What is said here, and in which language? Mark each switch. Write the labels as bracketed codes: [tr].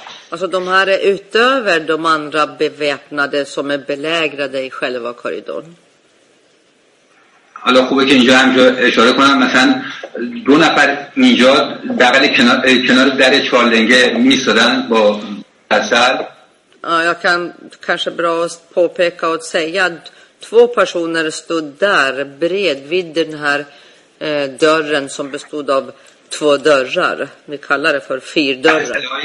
[sv] Alltså de här är utöver de andra beväpnade som är belägrade i själva korridoren. [fa] حالا خوبه که اینجا هم اشاره کنم، مثلا دو نفر اینجا بغل کنار در چهارلنگه میستادن با اثر. [sv] Jag kan kanske bra påpeka och säga att två personer stod där bredvid den här dörren som bestod av två dörrar. Vi kallar det för fyra dörrar.